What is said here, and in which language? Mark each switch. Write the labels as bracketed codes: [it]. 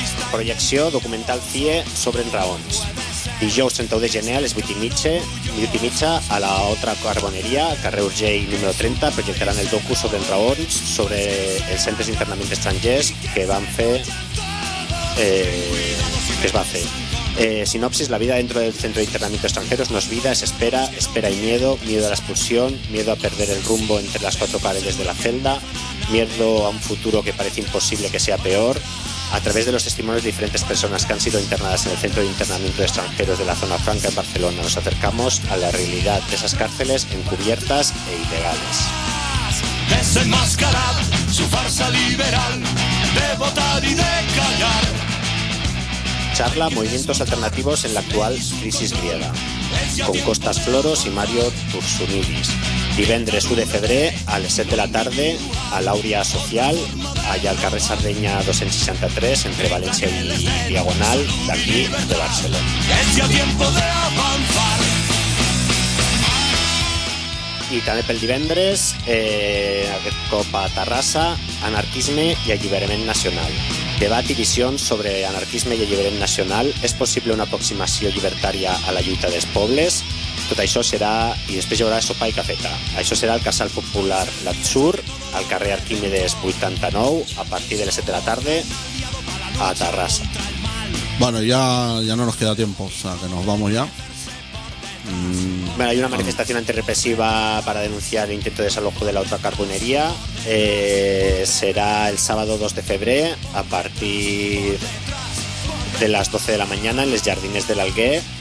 [ca] Projecció documental CIE sobre en Raons. Dijous 31 de gener a les 8:30 a la Otra Carboneria, carrer Urgell número 30, projectaran el docu sobre en Raons, sobre els centres d'internament estrangers que van fer, que es va fer. [es] Sinopsis: la vida dentro del centro de internamiento extranjeros no es vida, es espera, espera y miedo, miedo a la expulsión, miedo a perder el rumbo entre las cuatro paredes de la celda, miedo a un futuro que parece imposible que sea peor. A través de los testimonios de diferentes personas que han sido internadas en el centro de internamiento de extranjeros de la zona franca en Barcelona, nos acercamos a la realidad de esas cárceles encubiertas e ilegales. Desenmascarar su farsa liberal de votar y de callar. Charla Movimientos Alternativos en la actual crisis griega, con Costas Floros y Mario Tursunidis. [ca] Divendres 1 de febrer a les 7 de la tarda a l'Àurea Social, allà al carrer Sardenya 263, entre València i Diagonal, d'aquí de Barcelona. I també pel divendres, aquest cop a Terrassa, Anarquisme i Alliberament Nacional. Debat i visions sobre anarquisme i alliberament nacional. És possible una aproximació llibertària a la lluita dels pobles? Tot això serà, i després hi haurà sopa i cafeta. Això serà el Casal Popular L'Atzur, al carrer Arquímedes 89, a partir de les 7 de la tarda, a Terrassa. [es] Bueno, ya no nos queda tiempo, o sea, que nos vamos ya. Bueno, hay una manifestación antirrepresiva para denunciar el intento de desalojo de la Otra Carbonería. Será el sábado 2 de febrer a partir de las 12 de la mañana en les Jardines de l'Alguer,